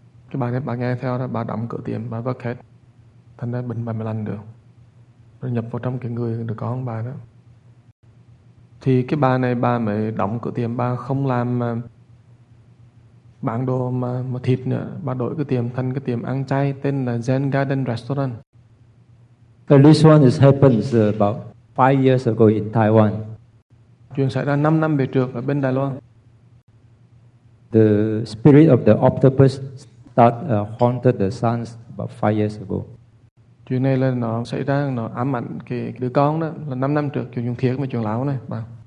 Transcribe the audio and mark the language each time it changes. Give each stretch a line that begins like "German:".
Vietnamese: Cái bà này bà nghe theo đó, bà đóng cửa tiệm, bà vất hết. Thành ra bệnh bà mới lành được. Rồi nhập vào trong cái người đứa con bà đó. Thì cái bà này bà mới đóng cửa tiệm, bà không làm bán đồ mà thịt nữa, bà đổi cái tiệm thành cái tiệm ăn chay tên là Zen Garden Restaurant.
English: This one is happens about 5 years ago in Taiwan.
Vietnamese: Chuyện xảy ra 5 năm về trước ở bên Đài Loan.
English: The spirit of the octopus start haunted the sons about 5 years ago.
Vietnamese: Chuyện này là nó xảy ra, nó ám ảnh cái đứa con đó là 5 năm trước, chuyện thiệt mà chuyện lão này, bà.